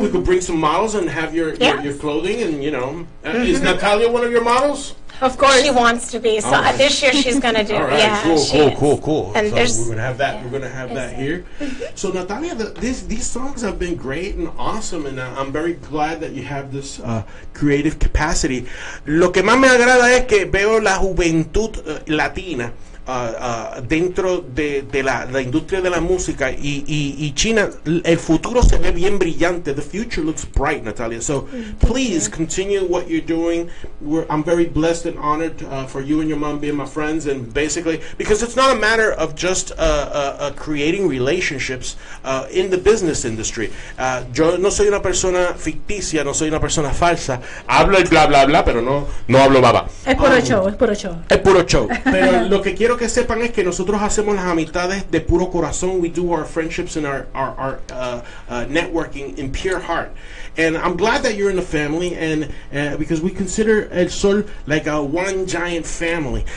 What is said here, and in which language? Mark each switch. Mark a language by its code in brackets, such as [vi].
[en] We could bring some models and have your your clothing, and you know, is Natalia one of your models? Of course, she wants to be. So this year she's gonna do. All right, yeah, cool. And so we're gonna have that. Yeah, we're gonna have that here. So Natalia, these songs have been great and awesome, and I'm very glad that you have this creative capacity. [es] Lo que más me agrada es que veo la juventud latina dentro de la industria de la música y China, el futuro se ve bien brillante. [en] The future looks bright, Natalia. So please continue what you're doing. I'm very blessed and honored for you and your mom being my friends. And basically, because it's not a matter of just creating relationships in the business industry. [es] Yo no soy una persona ficticia, no soy una persona falsa. Hablo el bla bla bla, pero no hablo baba. Es puro show. Pero lo que quiero que sepan es que nosotros hacemos las amistades de puro corazón. [en] We do our friendships and our networking in pure heart. And I'm glad that you're in the family, and because we consider El Sol like a one giant family.